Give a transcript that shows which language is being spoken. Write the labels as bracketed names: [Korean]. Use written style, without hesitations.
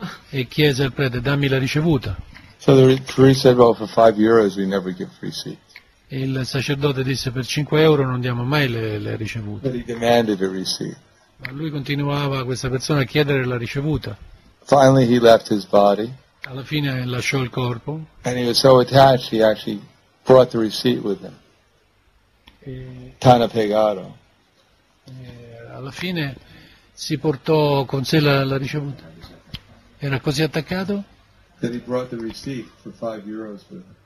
[Italian] E chiese al prete, dammi la ricevuta. [English] So the priest said, well, for 5 euros we never give free seats. [Italian] Il sacerdote disse, per 5 euro non diamo mai le ricevute. [English] But he demanded a receipt. [Italian] Ma lui continuava, questa persona, a chiedere la ricevuta. [English] Finally he left his body. [Italian] Alla fine lasciò il corpo. [English] And he was so attached he actually brought the receipt with him. Tana pegato. [Italian] Alla fine si portò con sé la ricevuta. Era così attaccato? [English] That he brought the receipt for 5 euros for him.